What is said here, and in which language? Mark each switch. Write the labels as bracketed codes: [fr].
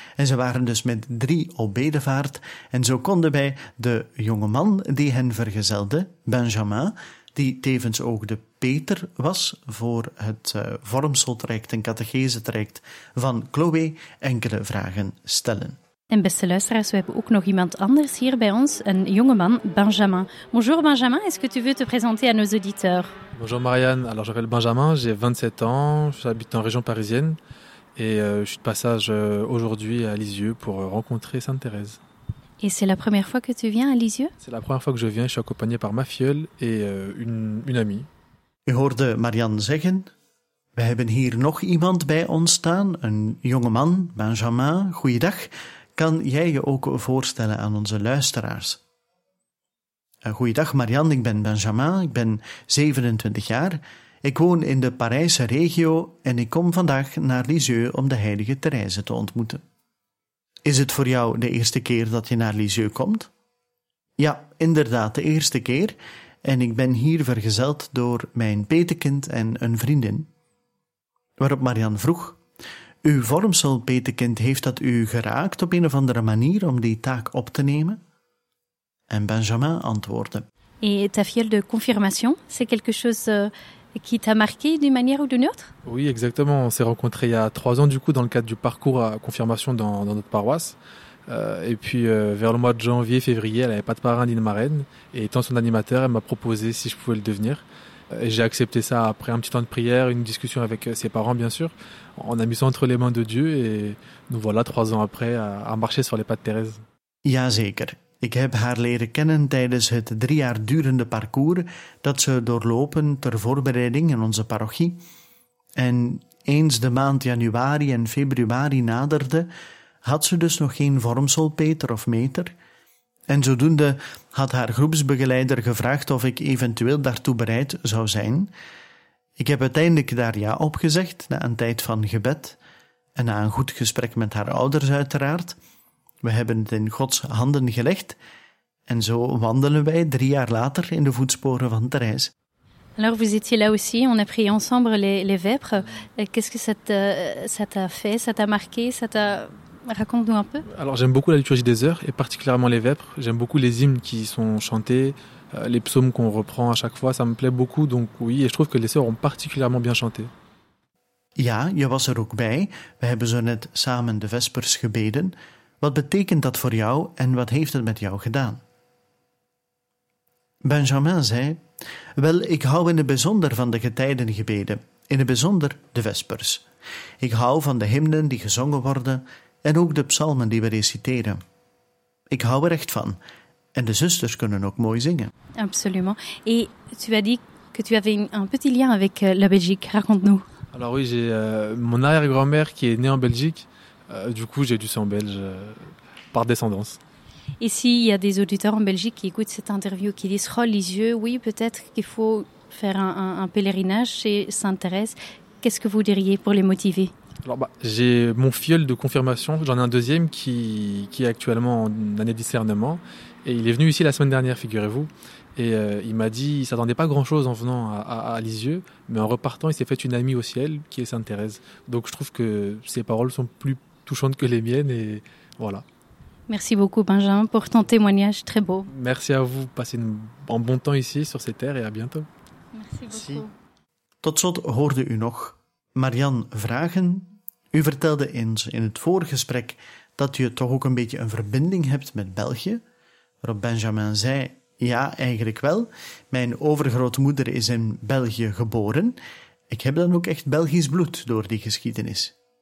[nl] En ze waren dus met drie op bedevaart. En zo konden wij de jonge man die hen vergezelde, Benjamin, die tevens ook de Peter was voor het vormseltraject en catechesetraject van Chloé, enkele vragen stellen. En beste luisteraars, we hebben ook nog iemand anders hier bij ons, een jonge man, Benjamin. [fr] Bonjour Benjamin, est-ce que tu veux te présenter à nos auditeurs? Bonjour Marianne, alors je m'appelle Benjamin, j'ai 27 ans, j'habite en région parisienne et je suis de passage aujourd'hui à Lisieux pour rencontrer Sainte-Thérèse. Et c'est la première fois que tu viens à Lisieux? C'est la première fois que je viens, je suis accompagné par ma filleule et une amie. [nl] U hoorde Marianne zeggen, we hebben hier nog iemand bij ons staan, een jonge man, Benjamin, goeiedag. Kan jij je ook voorstellen aan onze luisteraars? Goeiedag Marianne, ik ben Benjamin, ik ben 27 jaar. Ik woon in de Parijse regio en ik kom vandaag naar Lisieux om de heilige Thérèse te ontmoeten. Is het voor jou de eerste keer dat je naar Lisieux komt? Ja, inderdaad, de eerste keer. En ik ben hier vergezeld door mijn petekind en een vriendin. Waarop Marianne vroeg... Uw vormsel, petekind, heeft dat u geraakt op een of andere manier om die taak op te nemen? En Benjamin antwoordde. [fr] Et ta fiole de confirmation, c'est quelque chose qui t'a marqué d'une manière ou d'une autre? Oui, exactement. On s'est rencontrés il y a 3 ans, du coup, dans le cadre du parcours à confirmation dans notre paroisse. Et puis, vers le mois de janvier, février, elle n'avait pas de parrain ni de marraine. Et étant son animateur, elle m'a proposé si je pouvais le devenir. J'ai accepté ça après un petit temps de prière, une discussion avec ses parents, bien sûr. On a mis ça entre les mains de Dieu et nous voilà 3 ans après à marcher sur les pas de Thérèse. [nl] Jazeker. Ik heb haar leren kennen tijdens het 3 jaar durende parcours dat ze doorlopen ter voorbereiding in onze parochie. En eens de maand januari en februari naderde, had ze dus nog geen vormsel, Peter of meter. En zodoende had haar groepsbegeleider gevraagd of ik eventueel daartoe bereid zou zijn. Ik heb uiteindelijk daar ja op gezegd, na een tijd van gebed. En na een goed gesprek met haar ouders uiteraard. We hebben het in Gods handen gelegd. En zo wandelen wij 3 jaar later in de voetsporen van Thérèse. [fr] Alors vous étiez là aussi, on a pris ensemble les vêpres. Qu'est-ce que ça t'a fait, ça t'a marqué, ça t'a... Raconte-nous un peu. Alors j'aime beaucoup la liturgie des heures, et particulièrement les vêpres. J'aime beaucoup les hymnes qui sont chantés, les psaumes qu'on reprend à chaque fois, ça me plaît beaucoup. Donc oui, et je trouve que les sœurs ont particulièrement bien chanté. [nl] Ja, je was er ook bij. We hebben zo net samen de vespers gebeden. Wat betekent dat voor jou en wat heeft het met jou gedaan? Benjamin zei, wel, ik hou in het bijzonder van de getijdengebeden, in het bijzonder de vespers. Ik hou van de hymnen die gezongen worden en ook de psalmen die we reciteren. Ik hou er echt van en de zusters kunnen ook mooi zingen. [fr] Absolument. Et tu as dit que tu avais un petit lien avec la Belgique. Raconte-nous. Alors oui, j'ai mon arrière-grand-mère qui est née en Belgique. Du coup, j'ai du sang belge par descendance. Et s'il y a des auditeurs en Belgique qui écoutent cette interview, qui disent « Oh, les yeux, oui, peut-être qu'il faut faire un pèlerinage chez Sainte Thérèse », qu'est-ce que vous diriez pour les motiver ? Alors, j'ai mon filleul de confirmation, j'en ai un deuxième qui est actuellement en année de discernement. Et il est venu ici la semaine dernière, figurez-vous. Et il m'a dit, il ne s'attendait pas grand-chose en venant à Lisieux, mais en repartant, il s'est fait une amie au ciel, qui est Sainte Thérèse. Donc je trouve que ses paroles sont plus touchantes que les miennes, et voilà. Merci beaucoup, Benjamin, pour ton témoignage très beau. Merci à vous, passez un bon temps ici, sur ces terres, et à bientôt. Merci beaucoup. [nl] Tot slot hoorde u nog Marianne vragen. U vertelde eens in het vorige gesprek dat u toch ook een beetje een verbinding hebt met België, waarop Benjamin zei, ja, eigenlijk wel. Mijn overgrootmoeder is in België geboren. Ik heb dan ook echt Belgisch bloed door die geschiedenis.